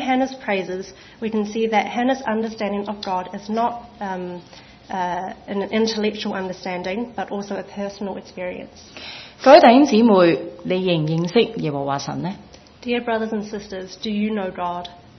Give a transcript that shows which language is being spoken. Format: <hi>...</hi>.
<en>Hannah's praises, we can see that Hannah's understanding of God is not an intellectual understanding, but also a personal experience.</en> <zh>各位弟兄姊妹，你认识耶和华神呢？</zh> <en>Dear brothers and sisters, do you know God?</en>